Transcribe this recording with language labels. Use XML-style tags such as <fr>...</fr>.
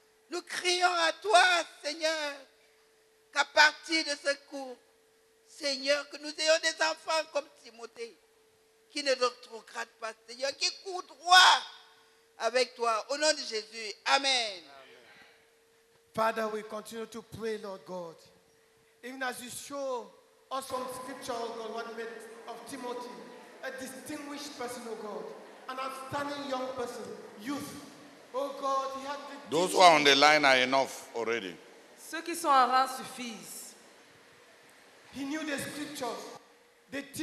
<fr>Nous crions à toi, Seigneur, qu'à partir de ce cours, Seigneur, que nous ayons des enfants comme Timothée, qui ne rétrogradent pas, Seigneur, qui courent droit avec toi, au nom de Jésus. Amen.</fr> <en>Father, we continue to pray, Lord God. Even as you show us from scripture, oh God, what made of Timothy, a distinguished person, oh God, an outstanding young person, youth. Oh God, he had the... Those who are on the line are enough already.</en> <fr>Ceux qui sont en rang suffisent.</fr> <en>He knew the scriptures, the teaching.</en>